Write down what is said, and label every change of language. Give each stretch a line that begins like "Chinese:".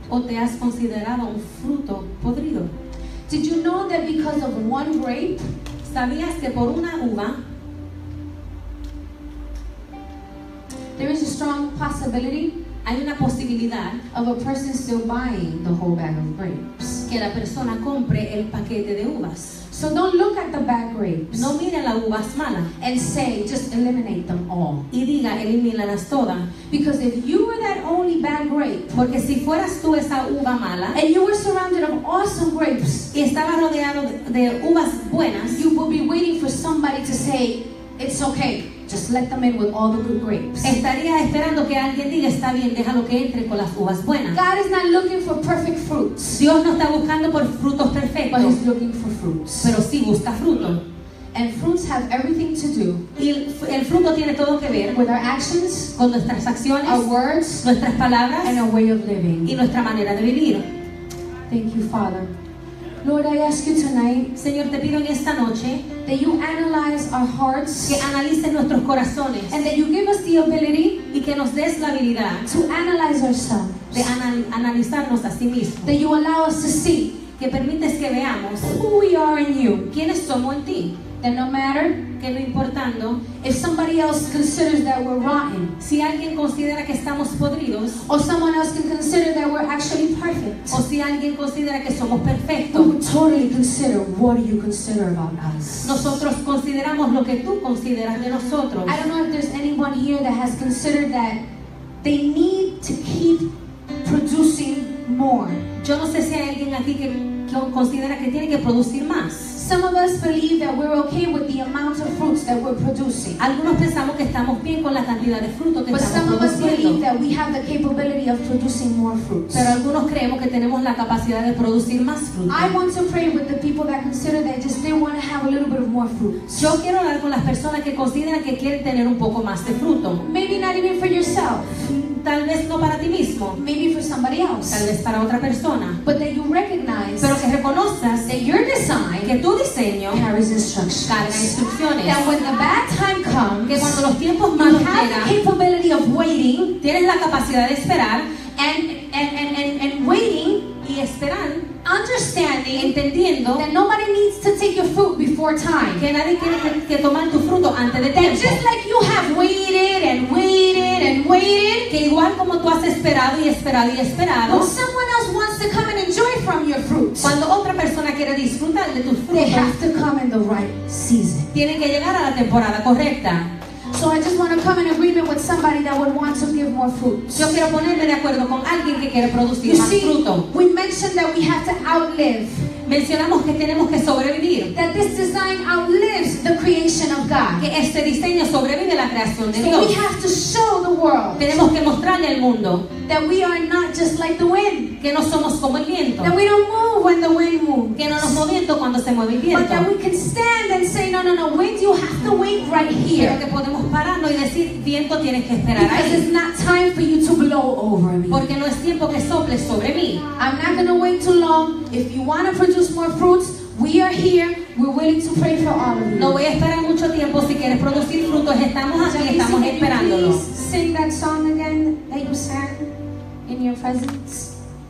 Spanish: ¿O te has considerado un fruto podrido?
English: Did you know that because of one grape,
Spanish: sabías que por una uva,
English: there is a strong possibility,
Spanish: hay una posibilidad,
English: of a person still buying the whole bag of grapes,
Spanish: que la persona compre el paquete de uvas.
English: So don't look at the bad grapes.
Spanish: No mire las uvas malas.
English: And say, just eliminate them all.
Spanish: Y diga, elimínalas todas.
English: Because if you were that only bad grape,
Spanish: porque si fueras tú esa uva mala,
English: and you were surrounded of awesome grapes,
Spanish: y estaba rodeado de uvas buenas,
English: you would be waiting for somebody to say, it's okay. Just let them in with all the good grapes.
Spanish: Estaría esperando que alguien diga, está bien, déjalo que entre con las uvas buenas.
English: God is not looking for perfect fruits.
Spanish: Dios no está buscando por frutos perfectos.
English: But he's looking for fruits.
Spanish: Pero sí busca fruto.
English: And fruits have everything to do.
Spanish: Y el fruto tiene todo que ver
English: with our actions,
Spanish: con nuestras acciones,
English: our words,
Spanish: nuestras palabras,
English: and our way of living,
Spanish: y nuestra manera de vivir.
English: Thank you, Father. Lord, I ask you tonight,
Spanish: Señor, te pido en esta noche,
English: that you analyze our hearts,
Spanish: que analice nuestros corazones,
English: and that you give us the ability,
Spanish: y que nos des la habilidad,
English: to analyze ourselves,
Spanish: de analizarnos a sí mismos,
English: that you allow us to see,
Spanish: que permites que veamos,
English: who we are in you,
Spanish: quiénes somos en ti,
English: that no matter,
Spanish: que no importando,
English: if somebody else considers that we're rotten,
Spanish: si alguien considera que estamos podridos,
English: or someone else can consider that we're actually perfect,
Spanish: o si alguien considera que somos perfectos,
English: we totally consider what you consider about us.
Spanish: Nosotros consideramos lo que tú consideras de nosotros.
English: I don't know if there's anyone here that has considered that they need to keep producing more.
Spanish: Yo no sé si hay alguien aquí que considera que tiene que producir más.
English: Some of us believe that we're okay with the amount of fruits that we're producing.
Spanish: Algunos pensamos que estamos bien con la cantidad de fruto que estamos produciendo.
English: But some of us believe that we have the capability of producing more fruits.
Spanish: Pero algunos creemos que tenemos la capacidad de producir más fruto.
English: I want to pray with the people that consider that just they want to have a little bit of more fruits.
Spanish: Yo quiero hablar con las personas que consideran que quieren tener un poco más de fruto.
English: Maybe not even for yourself.
Spanish: Tal vez no para ti mismo.
English: Maybe for somebody else.
Spanish: Tal vez para otra persona.
English: But that you recognize,
Spanish: pero que reconozcas,
English: that your design,
Spanish: que tu diseño,
English: carries instructions,
Spanish: carga instrucciones.
English: That when the bad time comes,
Spanish: que cuando los tiempos malos llegan,
English: you have the capability of waiting,
Spanish: tienes la capacidad de esperar,
English: and waiting,
Spanish: y esperar.
English: Understanding,
Spanish: entendiendo,
English: that nobody needs to take your fruit before time.
Spanish: Que nadie tiene que tomar tu fruto antes de tiempo.
English: Just like you have waited and waited and waited.
Spanish: Que igual como tú has esperado y esperado y esperado.
English: When someone else wants to come and enjoy from your fruit.
Spanish: Cuando otra persona quiere disfrutar de tus frutos.
English: They have to come in the right season.
Spanish: Tienen que llegar a la temporada correcta.
English: So I just want to come in agreement with somebody that would want to give more fruit.
Spanish: Yo quiero ponerme de acuerdo con alguien que quiere producir
English: you
Spanish: más
English: see,
Spanish: fruto.
English: We mentioned that we have to outlive.
Spanish: Mencionamos que tenemos que sobrevivir.
English: That this design outlives the creation of God.
Spanish: Que este diseño sobrevive la creación de Dios.
English: We have to show the world.
Spanish: Tenemos que mostrarle al mundo.
English: That we are not just like the wind.
Spanish: Que no somos como el viento.
English: That we don't move when the wind moves.
Spanish: Que no nos movemos cuando se mueve el viento.
English: But that we can stand and say, no, no, no, wind, you have to wait right here.
Spanish: Pero que podemos pararnos y decir, viento, tienes que esperar
English: because
Spanish: ahí.
English: It's not time for you to blow over me.
Spanish: Porque no es tiempo que soples sobre mí.
English: I'm not going to wait too long. If you want to produce more fruits, we are here. We're willing to pray for all of you.
Spanish: No voy a esperar mucho tiempo. Si quieres producir frutos, estamos aquí,
English: so
Spanish: estamos esperándolo.
English: Please sing that song again that you sang in your presence.